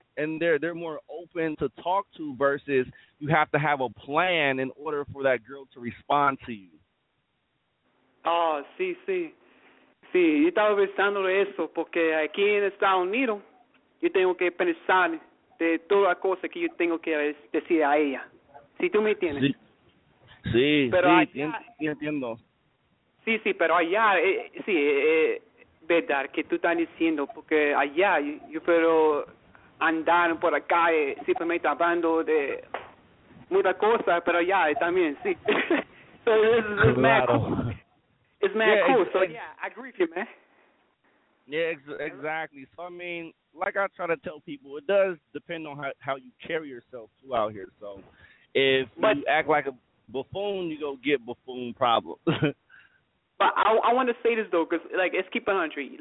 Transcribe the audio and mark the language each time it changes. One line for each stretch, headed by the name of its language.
English: And they're more open to talk to versus you have to have a plan in order for that girl to respond to you.
Spanish: Oh, sí. Yo estaba pensando eso porque aquí en Estados Unidos yo tengo que pensar de todas las cosas que yo tengo que decir a ella. Si tú me entiendes. Sí, entiendo. Sí, pero allá, sí, verdad, que tú estás diciendo, porque allá yo pero andar por la calle simplemente hablando de muchas cosas, pero ya, también, sí.
English: So it's
Spanish: claro.
English: Mad cool. It's mad cool. So, yeah, I agree with you, man. Yeah, exactly. So, I mean, like I try to tell people, it does depend on how you carry yourself too out here. So if you act like a buffoon, you go get buffoon problems. But I want to say this, though, because, like, it's keep 100.